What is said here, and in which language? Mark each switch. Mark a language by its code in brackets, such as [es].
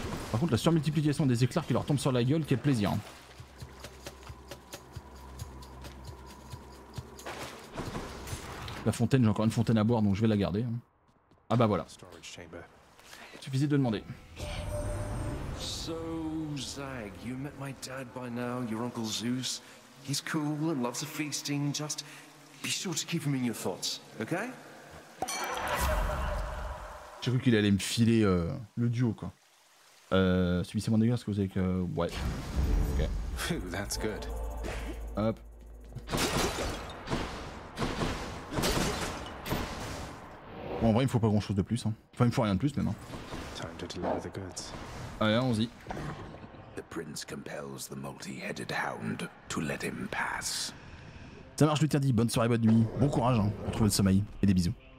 [fr] Par contre la surmultiplication des éclairs qui leur tombent sur la gueule, quel plaisir. La fontaine, j'ai encore une fontaine à boire donc je vais la garder. Ah bah voilà. Suffisait de demander. [en] So Zag, you met my dad by now, your uncle Zeus. He's cool and loves a feasting, just be sure to keep him in your thoughts, okay? [fr] J'ai cru qu'il allait me filer le duo quoi. Subissez mon dégât parce que vous avez que. Ouais. Ok. [en] That's good. Hop. [fr] Bon, en vrai, il me faut pas grand chose de plus. Hein. Enfin, il me faut rien de plus, même. [en] Time to deliver the goods. [fr] Allez, allons-y. [en] The prince compels the multi-headed hound to let him pass. [fr] Ça marche, lui, t'as dit. Bonne soirée, bonne nuit. Bon courage, hein, pour trouver le sommeil. Et des bisous.